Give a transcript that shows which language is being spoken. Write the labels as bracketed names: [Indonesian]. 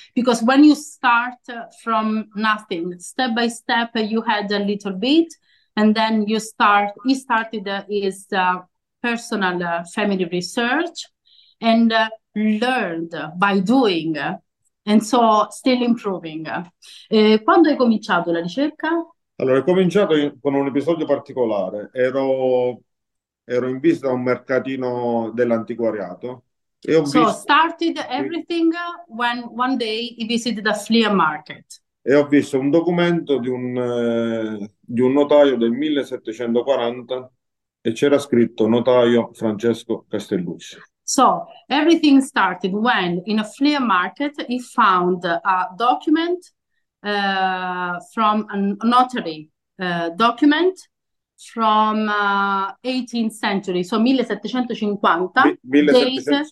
[English] Because when you start from nothing, step by step, you had a little bit, and then you start, he started his personal family research and learned by doing, and so still improving. [Italian] Quando hai cominciato la ricerca? Allora, ho cominciato con un episodio particolare. Ero in visita a un mercatino dell'antiquariato e ho [English] So, [Italian] visto [English] started everything when one day he visited a flea market. [Italian] un documento di un notaio del 1740 e c'era scritto notaio Francesco Castellucci. [English] So, everything started when in a flea market he found a document from a notary document from 18th century, so 1750 days.